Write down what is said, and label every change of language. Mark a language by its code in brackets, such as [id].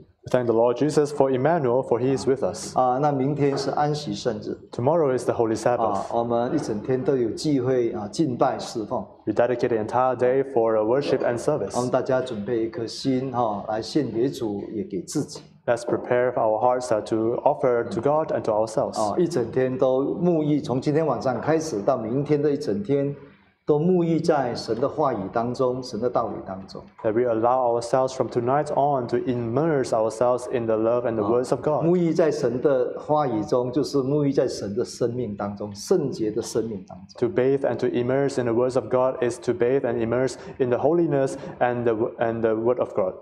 [en] Thank the Lord Jesus for Emmanuel, for He is with us. [zh] 啊，那明天是安息圣日。 [en] Tomorrow is the Holy Sabbath. [zh] 啊，我们一整天都有机会啊，敬拜侍奉。 [en] We dedicate the entire day for worship and service. [zh] 我们大家准备一颗心哈，来献给主，也给自己。 [en] Let's prepare our hearts to offer to God and to ourselves. [zh] 啊，一整天都沐浴，从今天晚上开始到明天的一整天。都沐浴在神的话语当中，神的道理当中。 [en] That we allow ourselves from tonight on to immerse ourselves in the love and the words of God. [zh] 沐浴在神的话语中，就是沐浴在神的生命当中，圣洁的生命当中。 [en] To bathe and to immerse in the words of God is to bathe and immerse in the holiness and the word of God.